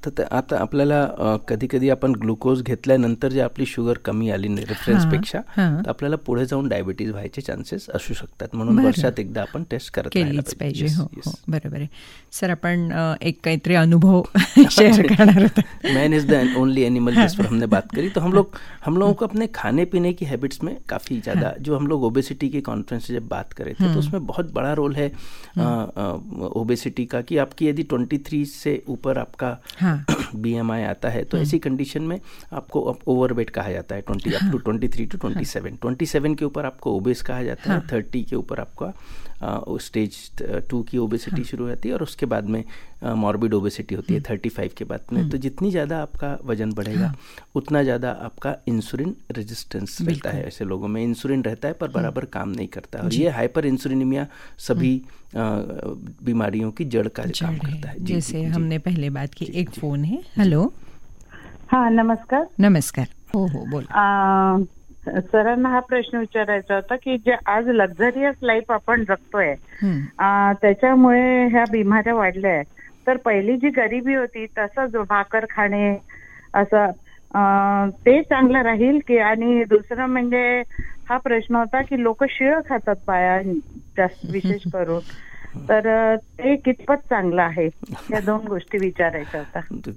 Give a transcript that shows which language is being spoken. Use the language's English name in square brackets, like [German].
[Marathi] आता आपल्याला कधी कधी आपण ग्लुकोज घेतल्यानंतर जे आपली शुगर कमी आली रेफरन्सपेक्षा तर आपल्याला पुढे जाऊन डायबिटीज व्हायचे चान्सेस असू शकतात, म्हणून वर्षात एकदा आपण टेस्ट करत राहायला पाहिजे. बरोबर आहे सर, आपण एक काहीतरी अनुभव शेअर करणार होतो. [English] man is the only animal [Hindi] जिस पर हमने बात करी, तो हम लोगों को अपने खाने पीने की हैबिट्स में काफी ज्यादा, जो हम लोग ओबेसिटी के कॉन्फ्रेंस से जब बात कर रहे थे तो उसमें बहुत बड़ा रोल है ओबेसिटी का, कि आपकी यदि 23 से ऊपर आपका बीएमआई आता है तो ऐसी कंडीशन में आपको ओवरवेट कहा जाता है. 27 के ऊपर आपको ओबेस कहा जाता है, 30 के ऊपर आपका स्टेज 2 की ओबेसिटी शुरू होती है और उसके बाद में मॉर्बिड ओबेसिटी होती है 35 के बाद में. तो जितनी ज्यादा आपका वजन बढ़ेगा उतना ज्यादा आपका इंसुलिन रेजिस्टेंस रहता है. ऐसे लोगों में इंसुलिन रहता है पर बराबर काम नहीं करता, और ये हाइपर इंसुलिनिमिया सभी बीमारियों की जड़ का काम करता है. जैसे हमने पहले बात की, एक फोन है. हेलो, हाँ नमस्कार. [Marathi] नमस्कार, हो बोल. सर, हा प्रश्न विचारायचा होता की जे आज लक्झरियस लाईफ आपण जगतोय त्याच्यामुळे ह्या बिमाऱ्या वाढल्या आहेत, तर पहिली जी गरिबी होती तसंच भाकर खाणे असं ते चांगलं राहील की, आणि दुसरं म्हणजे हा प्रश्न होता की लोक शिळ खातात पाया जास्त विशेष करून, तर ते कितपत चांगलं आहे, या दोन गोष्टी विचारायच्या होता.